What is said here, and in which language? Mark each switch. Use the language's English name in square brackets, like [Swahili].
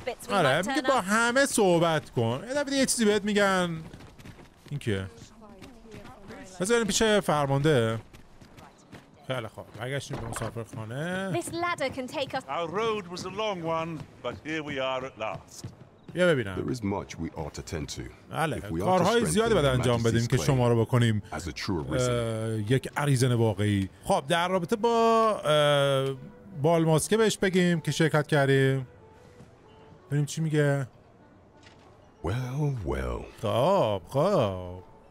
[Persian] آره میگه با همه صحبت کن. یه دفعه یه چیزی بهت میگن. این کیه؟ بذار بریم پیش فرمانده. خیلی خوب. برگشتیم به مسافرخانه. [English] Our road was a long one, but here we are at last. [Persian] یا ببینم. [English] There is much we ought to tend to. [Persian] بله. کارهای زیادی باید انجام بدیم که شما رو بکنیم یک اریزن واقعی. خب در رابطه با بالماسکه بهش بگیم که شرکت کردیم. ببینیم چی میگه. [English] Well. [Persian] خب.